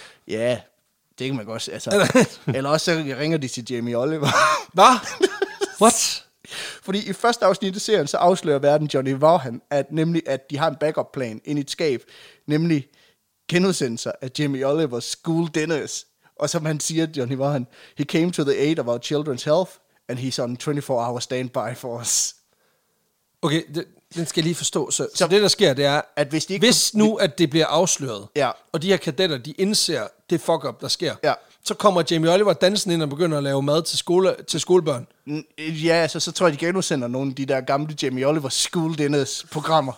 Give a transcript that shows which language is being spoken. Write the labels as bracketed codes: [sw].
[da] Ja, det kan man godt se. Altså, eller også så ringer de til Jamie Oliver. Hvad? What? Fordi i første afsnit af serien, så afslører verden Johnny Vaughan, at de har en backup-plan ind i et skab, nemlig genudsendelser af Jamie Olivers school dinners. Og som han siger, [en] Johnny Vaughan, he came to the aid of our children's health, and he's on 24-hour standby for us. [da] Okay, den skal jeg lige forstå. Så det, der sker, det er, at hvis, at det bliver afsløret, og de her kadetter, de indser det fuck-up, der sker, så kommer Jamie Oliver dansen ind og begynder at lave mad til skolebørn. Ja, så tror jeg, de genudsender nogle af de der gamle Jamie Oliver school dinners programmer.